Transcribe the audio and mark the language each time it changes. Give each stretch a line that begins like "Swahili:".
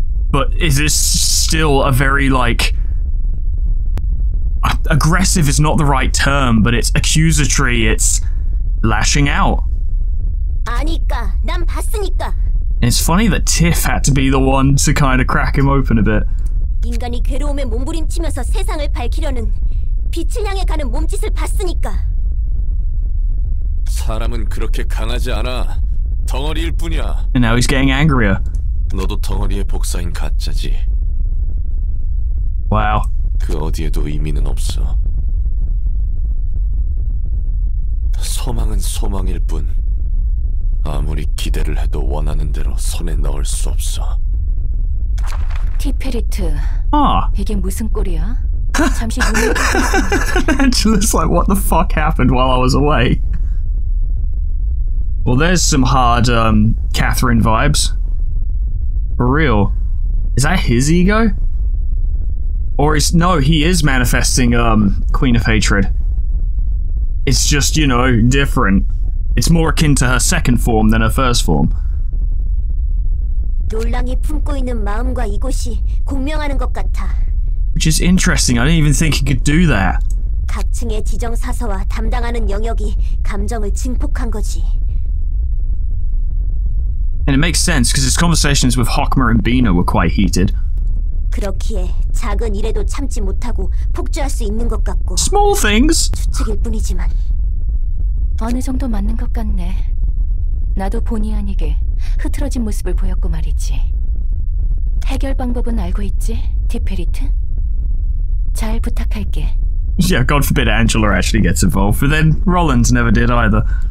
English: But is this still a very, like, aggressive is not the right term, but it's accusatory, it's lashing out.
Korean: 아니까, 난 봤으니까.
English: And it's funny that Tiff had to be the one to kind of crack him open a bit.
Korean: 인간이 괴로움에 몸부림치면서 세상을 밝히려는 빛을 향해 가는 몸짓을 봤으니까. 사람은 그렇게 강하지 않아. 덩어리일 뿐이야.
English: And now he's getting angrier.
Korean: 너도 덩어리의 복사인 가짜지.
English: Wow.
Korean: 그 어디에도 의미는 없어. 소망은 소망일 뿐. 아무리 기대를 해도 원하는 대로 손에 넣을 수 없어. 티페리트. 아. 이게 무슨 꼴이야? 잠시
English: Angela's like, what the fuck happened while I was away? Well, there's some hard Catherine vibes. For real. Is that his ego? Or is, no, he is manifesting Queen of Hatred. It's just, you know, different. It's more akin to her second form than her first form.
Korean: 놀랑이 품고 있는 마음과 이곳이 공명하는 것 같아.
English: Which is interesting. I didn't even think he could do that.
Korean: 각층의 지정 사서와 담당하는 영역이 감정을 증폭한 거지.
English: And it makes sense because his conversations with Hokmer and Bina were quite heated.
Korean: 그렇기에 작은 일에도 참지 못하고 폭주할 수 있는 것 같고.
English: Small things.
Korean: 추측일 뿐이지만 어느 정도 맞는 것 같네. 나도 본의 아니게 흐트러진 모습을 보였고 말이지. 해결 방법은 알고 있지, 디페리트? 잘 부탁할게.
English: Yeah, God forbid Angela actually gets involved, but then Roland never did either.